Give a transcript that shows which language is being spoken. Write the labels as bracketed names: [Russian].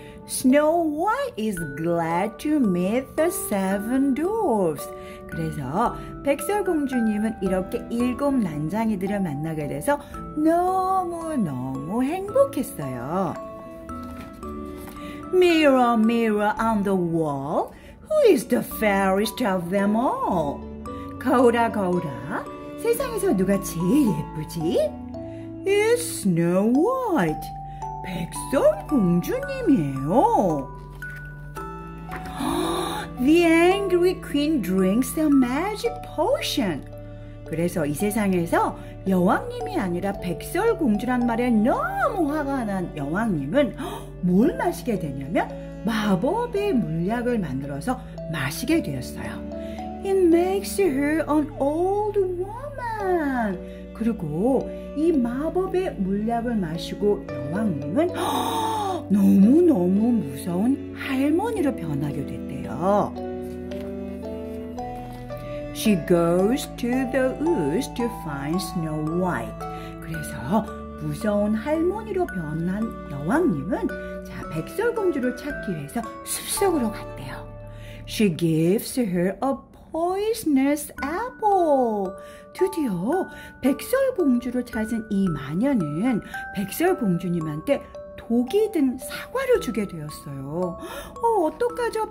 [English] Snow White is glad to meet the seven dwarfs. [Korean] 그래서 백설공주님은 이렇게 일곱 난장이들을 만나게 돼서 너무너무 행복했어요. [English] Mirror, mirror on the wall. Who is the fairest of them all? [Korean] 거울아, 거울아. 세상에서 누가 제일 예쁘지? [English] It's Snow White. [Korean] 백설공주님이에요. [English] The angry queen drinks a magic potion. [Korean] 그래서 이 세상에서 여왕님이 아니라 백설공주란 말에 너무 화가 난 여왕님은 뭘 마시게 되냐면 마법의 물약을 만들어서 마시게 되었어요. [English] It makes her an old woman. [Korean] 그리고 이 마법의 물약을 마시고 여왕님은 너무너무 무서운 할머니로 변하게 됐대요. [English] She goes to the woods to find Snow White. [Korean] 그래서 무서운 할머니로 변한 여왕님은 자 백설공주를 찾기 위해서 숲속으로 갔대요. [English] She gives her a poisonous apple. [Korean] 드디어 백설공주를 찾은 이 마녀는 백설공주님한테 독이 든 사과를 주게 되었어요. 어떡하죠?